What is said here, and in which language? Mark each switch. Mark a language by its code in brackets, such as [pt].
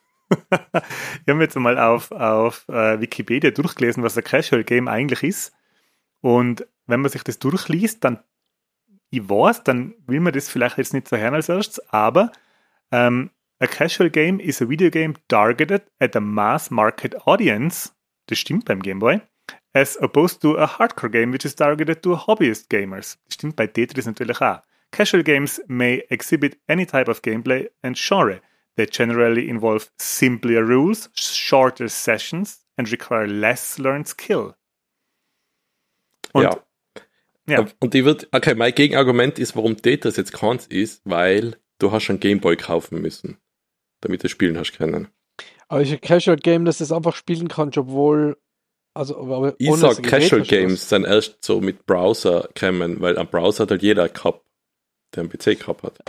[de] Ich habe jetzt mal auf Wikipedia durchgelesen, was ein Casual Game eigentlich ist. Und wenn man sich das durchliest, dann, ich weiß, dann will man das vielleicht jetzt nicht so hören als erstes, aber ein Casual Game ist ein Videogame [en] targeted at a mass market audience. [de] Das stimmt beim Gameboy, [en] as opposed to a hardcore game, which is targeted to hobbyist gamers. Das stimmt bei Tetris natürlich auch. Casual games may exhibit any type of gameplay and genre. They generally involve simpler rules, shorter sessions and require less learned skill. [de] Und, ja. Und ich würde, okay, mein Gegenargument ist, warum Tetris jetzt keins ist, weil du hast einen Gameboy kaufen müssen, damit du spielen hast können. Aber ist ein Casual Game, dass du es einfach spielen kannst, obwohl. Also, aber ich sag, Casual Games sind erst so mit Browser gekommen, weil ein Browser hat halt jeder gehabt, der einen PC gehabt hat.